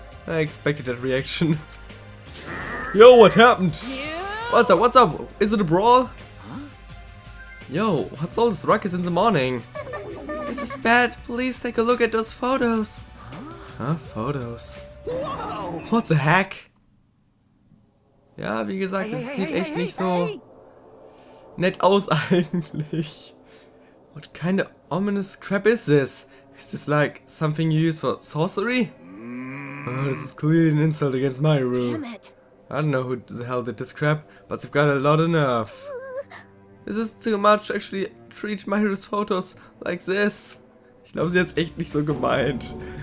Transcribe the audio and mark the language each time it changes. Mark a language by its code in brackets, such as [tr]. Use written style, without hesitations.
[en] I expected that reaction. Yo, what happened? What's up, what's up? Is it a brawl? Huh? Yo, what's all this ruckus in the morning? This is bad. Please take a look at those photos. Huh? Huh? Photos. Whoa! What the heck? [de] Ja, wie gesagt, es sieht echt nicht so nett aus eigentlich. [en] What kind of ominous crap is this? Is this like something you use for sorcery? Oh, this is clearly an insult against my rule. Damn it. I don't know who the hell did this crap, but they've got a lot of nerve. This is too much, actually, treat Myra's photos like this. [de] Ich glaube, sie hat es echt nicht so gemeint.